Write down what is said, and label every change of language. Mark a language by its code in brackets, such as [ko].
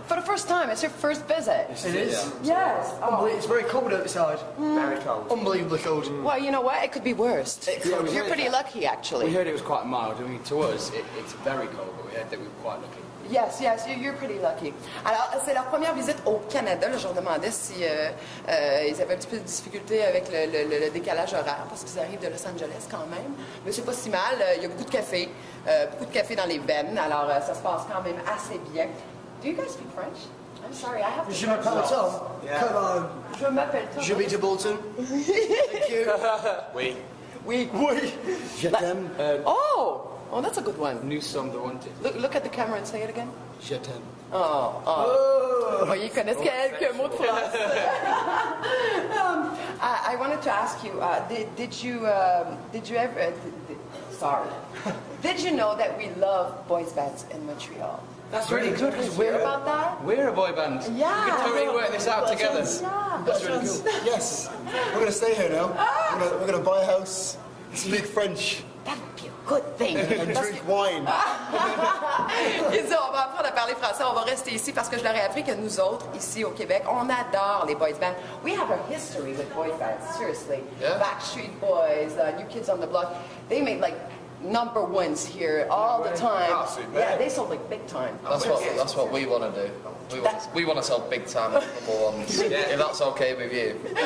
[en] For the first time? It's your first visit? It is. Yes. It's very cold outside. Mm. Very cold. Unbelievably cold. Mm. Well, you know what? It could be worse. You're pretty lucky, actually. We heard it was quite mild. I mean, to us, it's very cold, but we heard that we were quite lucky. Yes, yes, you're pretty lucky. [fr] Alors, c'est leur première visite au Canada. Je leur demandais si ils avaient un petit peu de difficulté avec le décalage horaire parce qu'ils arrivent de Los Angeles quand même. Mais c'est pas si mal. Il y a beaucoup de café dans les veines. Alors, ça se passe quand même assez bien. [en] Do you guys speak French? I'm sorry, I have to. [fr] Je m'appelle Tom. [en] Yeah. Come on. [fr] Je m'appelle Tom. Je vais de Bolton. [en] Thank you. [fr] Oui. Je t'aime. [en] Oh! Oh, that's a good one. New song, The Wanted. Look at the camera and say it again. [fr] Je t'aime. [en] Oh. Oh, you [fr] connaissent quelques mots de France. [en] I wanted to ask you, did you know that we love boys bands in Montreal? That's really good. We're about that. We're a boy band. Yeah. We can totally work this out together. Yeah. That's really cool. Yes. We're going to stay here now. We're going to buy a house, speak French. Good thing. And drink wine. [fr] Ils disent, on va apprendre à parler français, on va rester ici parce que je leur ai appris que nous autres, ici au Québec, on adore les boys bands. [en] We have a history with boys bands, seriously. Yeah. Backstreet Boys, New Kids on the Block, they made like number ones here all the time. Absolutely. Yeah, they sold like big time. That's what we want to do. We want to sell big time number ones. Yeah. If that's okay with you.